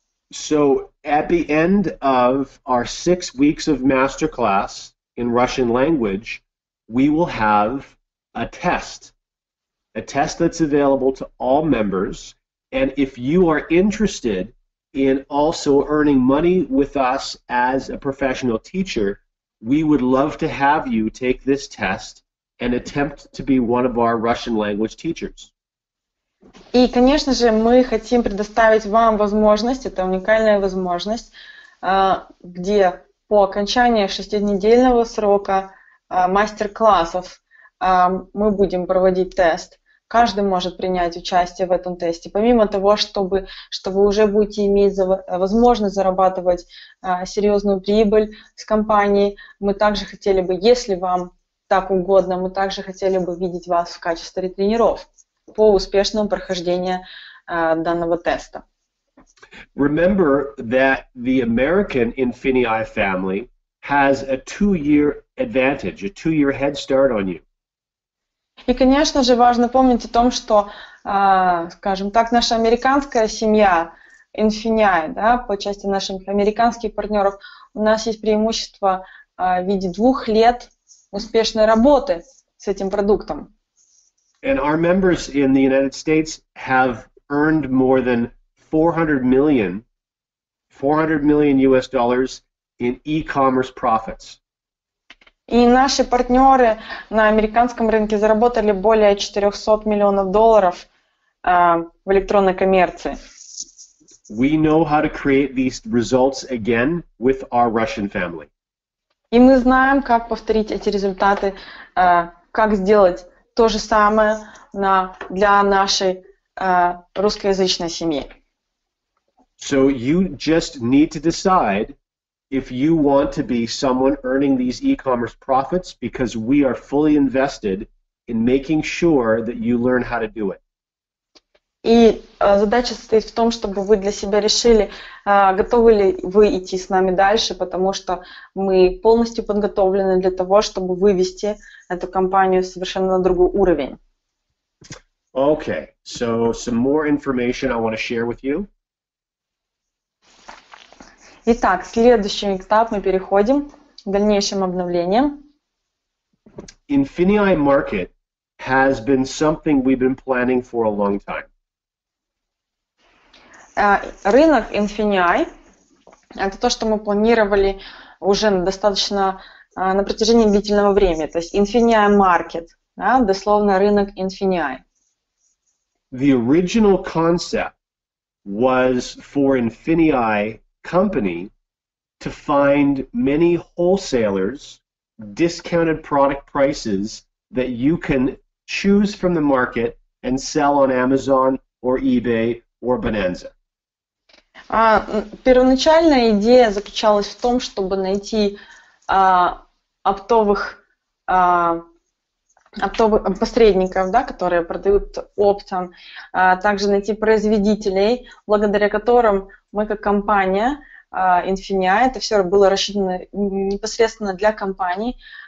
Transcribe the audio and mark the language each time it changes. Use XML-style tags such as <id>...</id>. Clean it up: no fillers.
<en>So at the end of our 6 weeks of masterclass in Russian language, we will have a test. A test that's available to all members, and if you are interested in also earning money with us as a professional teacher, we would love to have you take this test and attempt to be one of our Russian language teachers.</en> <ru>И, конечно же, мы хотим предоставить вам возможность, это уникальная возможность, где по окончании шестинедельного срока мастер-классов мы будем проводить тест. Каждый может принять участие в этом тесте. Помимо того, что вы уже будете иметь возможность зарабатывать серьезную прибыль с компанией, мы также хотели бы, если вам так угодно, мы также хотели бы видеть вас в качестве тренеров по успешному прохождению данного теста.</ru> <en>Remember that the American Infinii family has a two-year advantage, a two-year head start on you.</en> <ru>И, конечно же, важно помнить о том, что, скажем так, наша американская семья, Infinii, да, по части наших американских партнеров, у нас есть преимущество в виде 2 лет успешной работы с этим продуктом.</ru> <en>And our members in the United States have earned more than $400 million US dollars in e-commerce profits.</en> <ru>И наши партнеры на американском рынке заработали более 400 миллионов долларов в электронной коммерции.</ru> <en>We know how to create these results again with our Russian family.</en> <ru>И мы знаем, как повторить эти результаты, как сделать то же самое для нашей русскоязычной семьи.</ru> <en>So you just need to decide if you want to be someone earning these e-commerce profits, because we are fully invested in making sure that you learn how to do it.</en> <ru>И задача состоит в том, чтобы вы для себя решили, готовы ли вы идти с нами дальше, потому что мы полностью подготовлены для того, чтобы вывести эту компанию совершенно на другой уровень.</ru> <en>Okay, so some more information I want to share with you.</en> <ru>Итак, следующий этап мы переходим к дальнейшим обновлениям.</ru> <en>Infinii Market has been something we've been planning for a long time.</en> <ru>Рынок Infinii – это то, что мы планировали уже достаточно на протяжении длительного времени. То есть Infinii Market, да, дословно рынок Infinii.</ru> <en>The original concept was for Infinii company to find many wholesalers discounted product prices that you can choose from the market and sell on Amazon or eBay or Bonanza.</en> <ru>Первоначальная идея заключалась в том, чтобы найти оптовых посредников, да, которые продают оптом, также найти производителей, благодаря которым мы как компания Infinii, это все было рассчитано непосредственно для компаний,</ru>